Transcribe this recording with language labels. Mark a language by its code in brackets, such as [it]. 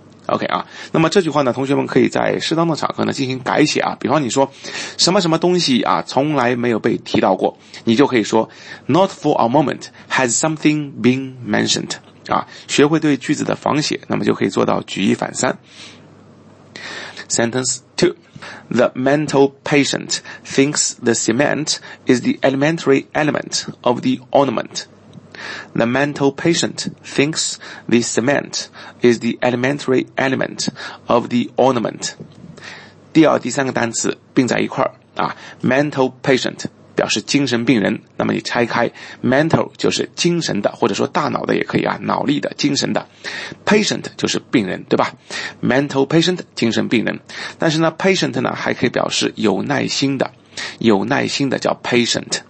[zh] OK 啊，那么这句话呢，同学们可以在适当的场合呢进行改写啊。比方你说什么什么东西啊，从来没有被提到过，你就可以说 [en] Not for a moment has something been mentioned [zh] 啊。学会对句子的仿写，那么就可以做到举一反三。 [en] Sentence 2. The mental patient thinks the cement is the elementary element of the ornament. The mental patient thinks the cement is the elementary element of the ornament. [zh] 第二、第三个单词并在一块儿啊。 Mental patient 表示精神病人，那么你拆开 mental 就是精神的，或者说大脑的也可以啊，脑力的、精神的。 Patient 就是病人，对吧 ？Mental patient 精神病人，但是呢 ，patient 呢还可以表示有耐心的，有耐心的叫 patient。